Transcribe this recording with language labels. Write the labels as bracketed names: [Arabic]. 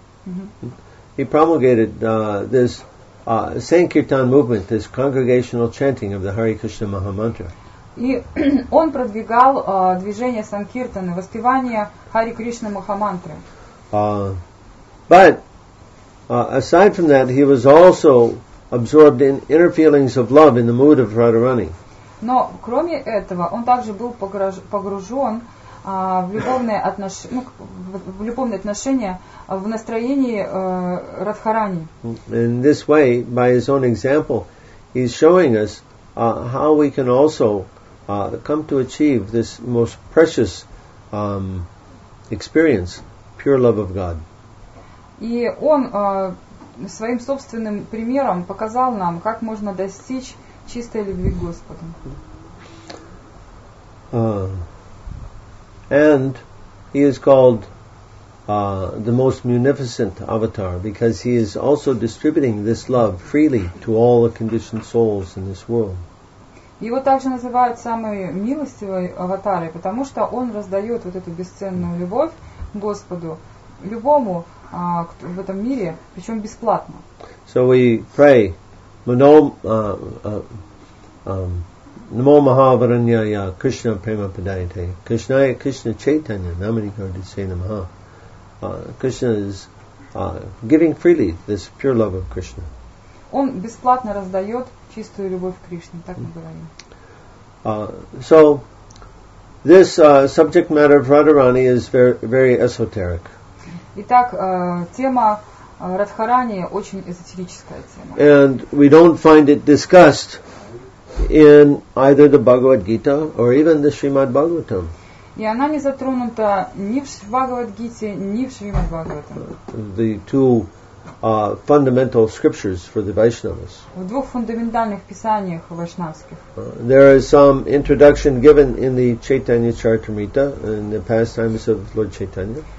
[English] Mm-hmm. He promulgated this Sankirtan movement, this congregational chanting of the Hare Krishna Maha Mantra. [Russian] И он продвигал движение Санкиртаны, воспевание Хари Кришна Маха Мантры. [English] But aside from that, he was also absorbed in inner feelings of love in the mood of Radharani. [Russian] Но кроме этого, он также был погружен в любовные отношения, в настроении Радхарани. [English] In this way, by his own example, he's showing us how we can also come to achieve this most precious experience, pure love of God. [Russian] И он своим собственным примером показал нам, как можно достичь чистой любви к Господу. [English] And he is called the most munificent avatar because he is also distributing this love freely to all the conditioned souls in this world. [Russian] Его также называют самой милостивой аватарой, потому что он раздает вот эту бесценную любовь Господу любому в этом мире, причем бесплатно. [English] So we pray, [Sanskrit] Namo Mahavaranyaya Krishna Prema Padayate, Krishnaya Krishna Chaitanya Namani Gaudise Namaha. [English] Krishna is giving freely this pure love of Krishna. [Russian] Он бесплатно раздает чистую любовь к Кришне, так мы говорим. [English] So this subject matter of Radharani is very, very esoteric. [Russian] Итак, тема Радхарани очень эзотерическая тема. [English] And we don't find it discussed in either the Bhagavad Gita or even the Srimad Bhagavatam. [Russian] И она не затронута ни в Бхагавад Гите, ни в Шримад Бхагаватам. [English] The two fundamental scriptures for the Vaishnavas. [Russian] В двух фундаментальных писаниях вайшнавских. [English] There is some introduction given in the Chaitanya Charitamrita, in the pastimes of Lord Chaitanya.